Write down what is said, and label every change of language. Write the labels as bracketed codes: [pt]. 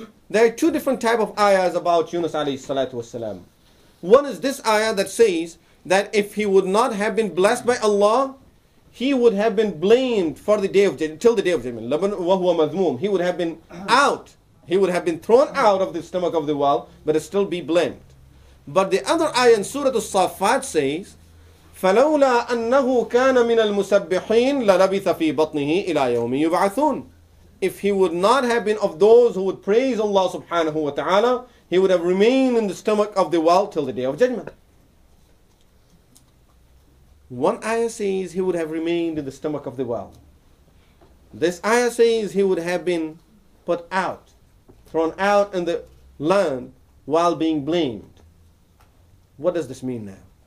[en] There are two different types of ayahs about Yunus alayhi salatu wasalam. One is this ayah that says that if he would not have been blessed by Allah, he would have been blamed for the day of judgment, till the day of judgment. He would have been out. He would have been thrown out of the stomach of the well, but still be blamed. But the other ayah in Surah As-Saffat says, [ar] فَلَوْلَا أَنَّهُ كَانَ مِنَ الْمُسَبِّحِينَ لَلَبِثَ فِي بَطْنِهِ إِلَى يَوْمِ يُبْعَثُونَ. [en] If he would not have been of those who would praise Allah subhanahu wa ta'ala, he would have remained in the stomach of the well till the day of judgment. One ayah says he would have remained in the stomach of the well. This ayah says he would have been put out, thrown out in the land while being blamed. What does this mean now?